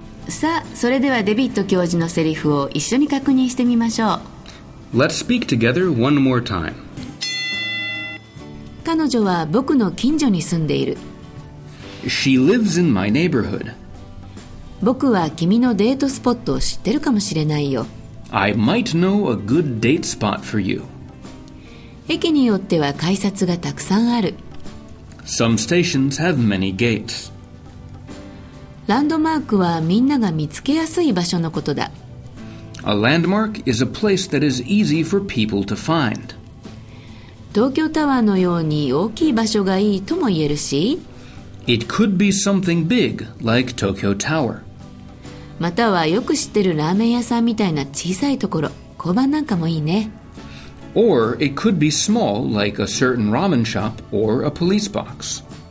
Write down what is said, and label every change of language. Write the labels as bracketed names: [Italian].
[Japanese] さあ、それではデビッド教授のセリフを一緒に確認してみましょう。 [English] Let's speak together one more time. [Japanese] 彼女は僕の近所に住んでいる。 [English] She lives in my neighborhood. [Japanese] 僕は君のデートスポットを知ってるかもしれないよ。 [English] I might know a good date spot for you. [Japanese] 駅によっては改札がたくさんある。 [English] Some stations have many gates. [Japanese] ランドマークはみんなが見つけやすい場所のことだ。 [English] A landmark is a place that is easy for people to find. [Japanese] 東京タワーのように大きい場所がいいとも言えるし、 [English] It could be something big, like Tokyo Tower. [Japanese] またはよく知ってるラーメン屋さんみたいな小さいところ、交番なんかもいいね。 [English] Or it could be small, like a certain ramen shop or a police box.